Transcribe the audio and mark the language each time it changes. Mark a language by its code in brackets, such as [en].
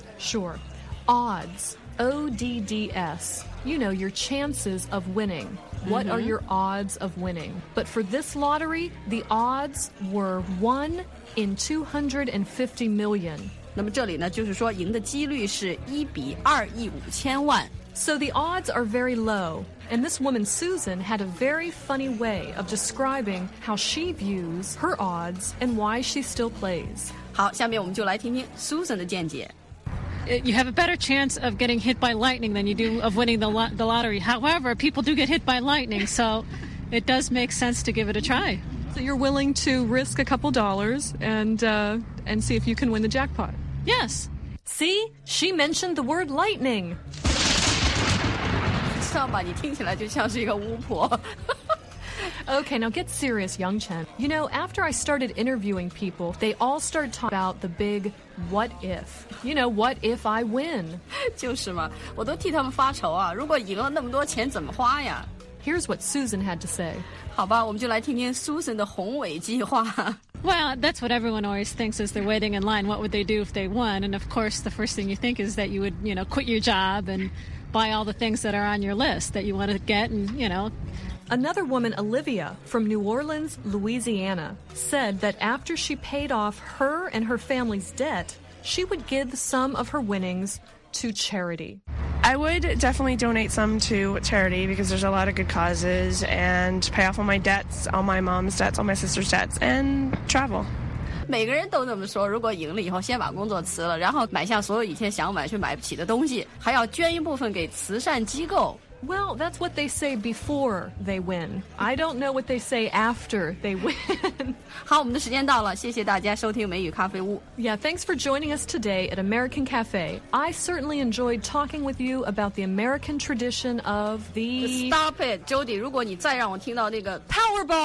[en] Sure. Odds. O-D-D-S. You know, your chances of winning. What、mm-hmm. are your odds of winning? But for this lottery, the odds were 1 in 250 million. [zh] 那么这里呢就是说赢的几率是1比2亿5千万。 [en] So the odds are very low. And this woman, Susan, had a very funny way of describing how she views her odds and why she still plays. [zh] 好，下面我们就来听听 Susan 的见解。 [en] You have a better chance of getting hit by lightning than you do of winning the lottery. However, people do get hit by lightning, so it does make sense to give it a try. So you're willing to risk a couple dollars and see if you can win the jackpot. Yes. See? She mentioned the word lightning. [zh] 算吧，你听起来就像是一个巫婆。 [en] Okay, now get serious, Yang Chen. You know, after I started interviewing people, they all started talking about the big what if. You know, what if I win? [zh] 就是嘛，我都替他们发愁啊，如果赢了那么多钱怎么花呀？ [en] Here's what Susan had to say. [zh] 好吧，我们就来听听 Susan 的宏伟计划。 [en] Well, that's what everyone always thinks as they're waiting in line. What would they do if they won? And of course, the first thing you think is that you would, you know, quit your job and buy all the things that are on your list that you want to get and, you know. Another woman, Olivia, from New Orleans, Louisiana, said that after she paid off her and her family's debt, she would give some of her winnings to charity. I would definitely donate some to charity because there's a lot of good causes and pay off all my debts, all my mom's debts, all my sister's debts, and travel. [zh] 每个人都这么说，如果赢了以后先把工作辞了，然后买下所有以前想买却买不起的东西，还要捐一部分给慈善机构。 [en] Well, that's what they say before they win. I don't know what they say after they win. [zh] 好，我们的时间到了，谢谢大家收听美语咖啡屋。 [en] Yeah, thanks for joining us today at American Cafe. I certainly enjoyed talking with you about the American tradition of the... Stop it, Jody. [zh] 如果你再让我听到那个 Powerball!